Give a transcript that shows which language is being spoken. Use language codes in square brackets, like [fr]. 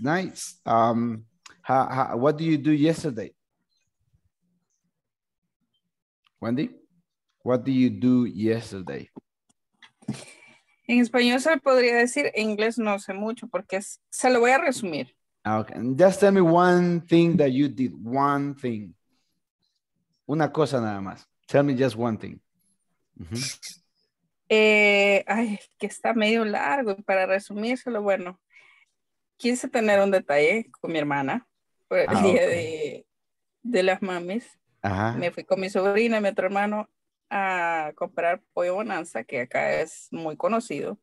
[en] Nice. What did you do yesterday? Wendy, what did you do yesterday? [es] En español se podría decir, en inglés no sé mucho porque es, se lo voy a resumir. [en] Okay, and just tell me one thing that you did, one thing. [es] Una cosa nada más. [en] Tell me just one thing. Uh-huh. [es] Que está medio largo y para resumírselo, bueno, quise tener un detalle con mi hermana. El día de las mamis. Ajá. Me fui con mi sobrina y mi otro hermano a comprar pollo bonanza, que acá es muy conocido.